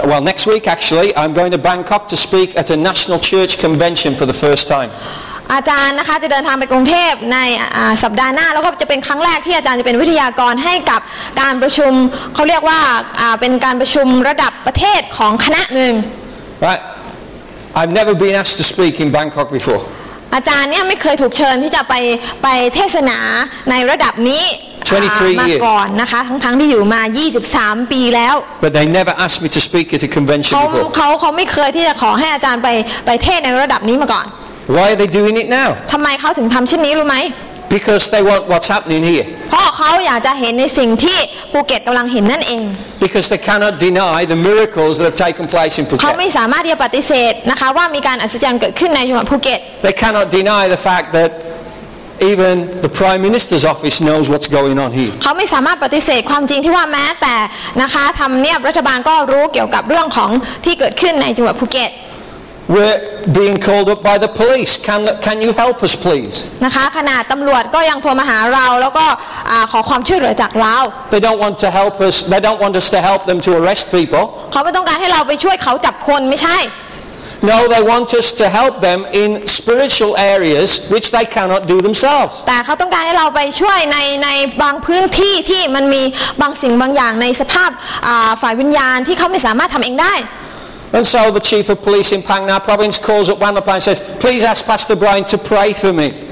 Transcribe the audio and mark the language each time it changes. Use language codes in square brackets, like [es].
[en] Next week actually I'm going to Bangkok to speak at a national church convention for the first time [th] อาจารย์นะคะจะเดินทางไปกรุงเทพในสัปดาห์หน้าแล้วก็จะเป็นครั้งแรกที่อาจารย์จะเป็นวิทยากรให้กับการประชุมเขาเรียกว่าเป็นการประชุมระดับประเทศของคณะหนึ่ง [en] Right I've never been asked to speak in Bangkok before [th] อาจารย์เนี่ยไม่เคยถูกเชิญที่จะไปเทศนาในระดับนี้มาก่อนนะคะทั้งที่อยู่มา23ปีแล้ว [en] But they never asked me to speak at a convention before [th] เขาไม่เคยที่จะขอให้อาจารย์ไปเทศในระดับนี้มาก่อน [en] Why are they doing it now [th] ทำไมเขาถึงทำเช่นนี้รู้ไหม [en] Because they want what's happening here [th] เพราะเขาอยากจะเห็นในสิ่งที่ภูเก็ตกำลังเห็นนั่นเอง [en] Because they cannot deny the miracles that have taken place in Phuket [th] เขาไม่สามารถที่จะปฏิเสธนะคะว่ามีการอัศจรรย์เกิดขึ้นในจังหวัดภูเก็ต [en] They cannot deny the fact thatEven the Prime Minister's office knows what's going on here. [th] เขาไม่สามารถปฏิเสธความจริงที่ว่าแม้แต่นะคะทำเนียบรัฐบาลก็รู้เกี่ยวกับเรื่องของที่เกิดขึ้นในจังหวัดภูเก็ต [en] We're being called up by the police. Can you help us, please? [th] นะคะขนาดตำรวจก็ยังโทรมาหาเราแล้วก็ขอความช่วยเหลือจากเรา [en] They don't want to help us. They don't want us to help them to arrest people. [th] เขาไม่ต้องการให้เราไปช่วยเขาจับคนไม่ใช่ [en] No, they want us to help them in spiritual areas which they cannot do themselves. [th] แต่เขาต้องการให้เราไปช่วยในบางพื้นที่ที่มันมีบางสิ่งบางอย่างในสภาพฝ่ายวิญญาณที่เขาไม่สามารถทำเองได้ [en] And so the chief of police in Phang Nga province calls up Wanlapan and says, "Please ask Pastor Brian to pray for me."